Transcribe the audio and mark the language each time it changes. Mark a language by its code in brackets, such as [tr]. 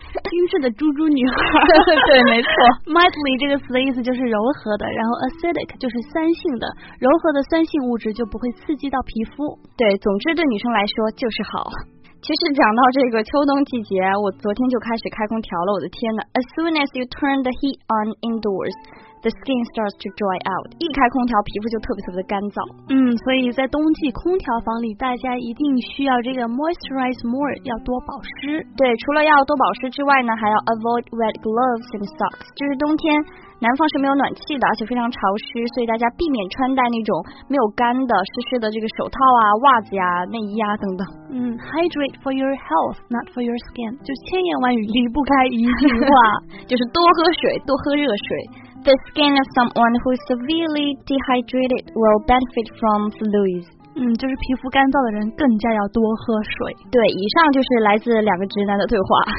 [zh] 精致的猪猪女孩。对，没错。 mildly 这个词的意思就是柔和的，然后 acidic 就是酸性的，柔和的酸性物质就不会刺激到皮肤。对，总之对女生来说就是好。其实讲到这个秋冬季节，我昨天就开始开空调了，我的天哪。 [en] As soon as you turn the heat on indoors, the skin starts to dry out. [zh] 一开空调皮肤就特别特别的干燥。所以在冬季空调房里大家一定需要这个 [en] moisturize more, [zh] 要多保湿。对，除了要多保湿之外呢，还要 [en] avoid wet gloves and socks, [zh] 就是冬天南方是没有暖气的，而且非常潮湿，所以大家避免穿戴那种没有干的湿湿的这个手套啊、袜子呀、内衣啊等等。 [en] Hydrate for your health, not for your skin, [zh] 就千言万语离不开一句话。就是多喝水，多喝热水。 [en] The skin of someone who is severely dehydrated will benefit from fluids. [zh] 就是皮肤干燥的人更加要多喝水。对，以上就是来自两个直男的对话，